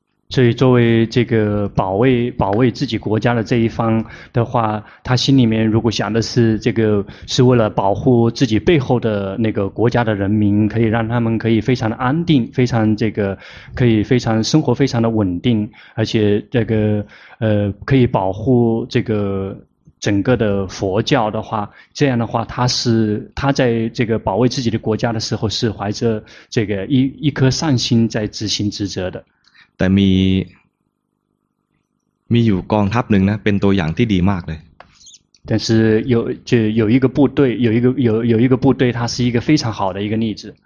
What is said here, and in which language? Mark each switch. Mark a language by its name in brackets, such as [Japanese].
[Chinese] 所以作为这个保卫自己国家的这一方的话，他心里面如果想的是这个是为了保护自己背后的那个国家的人民，可以让他们可以非常的安定，非常这个可以非常生活非常的稳定，而且这个可以保护这个整个的佛教的话，这样的话他在这个保卫自己的国家的时候是怀着这个一颗善心在执行职责的。 [Thai] แต่มีอยู่กองทัพนึงนะเป็นตัวอย่างที่ดีมากเลย [Chinese] 但是有就有一个部队有一个有有一个部队它是一个非常好的一个例子